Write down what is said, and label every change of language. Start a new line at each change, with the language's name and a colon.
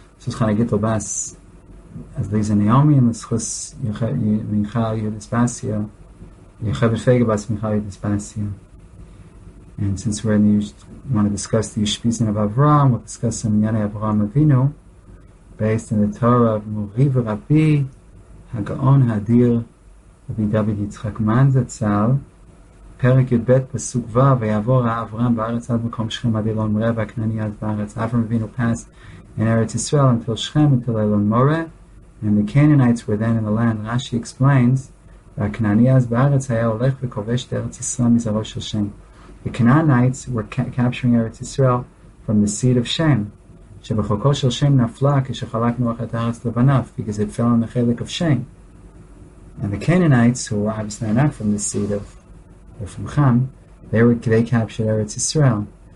English: So it's Chanagit Obas, as Lisa Naomi, and the Schuss Michal Yudispasia, Yechabit Fegabas Michal Yudispasia. And since we're in the, want to discuss the Yishpizin of Avram, we'll discuss some Yanei Avram Avinu, based in the Torah of Muriv Rabbi, Hagaon Hadir, Rabbi David Yitzchak Manzatzal.
Hebrew: פרק י"ב פסוק ו' ויעבור אברהם בארץ עד מקום שכם עד אילון מורה והכנעני עד בארץ.
English: אברהם אבינו פס in ארץ ישראל until שכם until אילון מורה and the Canaanites were then in the land. Rashi explains
Hebrew: והכנעני אז בארץ היה הולך וכובש את ארץ ישראל מזרעו של שם.
English: The Canaanites were capturing ארץ ישראל from the seed of שם
Hebrew: שבחוקו של שם נפלה כשחלקנו את הארץ לבניו
English: because it fell on the חלק of שם. And the Canaanites who were obviously not from the seed of from Ham, they captured Eretz Yisrael.